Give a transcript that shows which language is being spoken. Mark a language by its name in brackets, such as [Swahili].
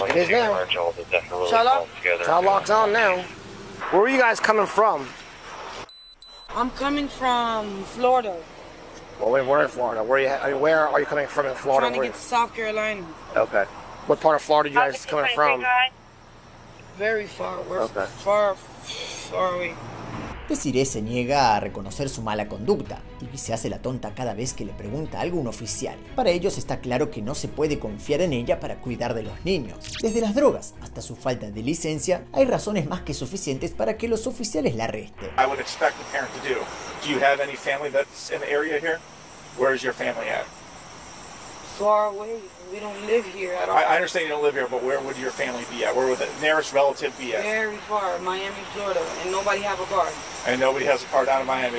[English] It is now. Child lock's on now. Where are you guys coming from? I'm coming from Florida. Well, we're in Florida. Where are you coming from in Florida? I'm trying to get to South Carolina. Okay. What part of Florida are you guys coming from? Very far. We're far Sorry. [Spanish] Desiree se niega a reconocer su mala conducta y se hace la tonta cada vez que le pregunta algo un oficial. Para ellos está claro que no se puede confiar en ella para cuidar de los niños. Desde las drogas hasta su falta de licencia, hay razones más que suficientes para que los oficiales la arresten. [English] I would expect the parent to do. Do you have any family that's in the area here? Where is your family at? Far away. We don't live here at all. I understand you don't live here, but where would your family be at? Where would the nearest relative be at? Very far, Miami, Florida, and nobody have a car. And nobody has a car down in Miami.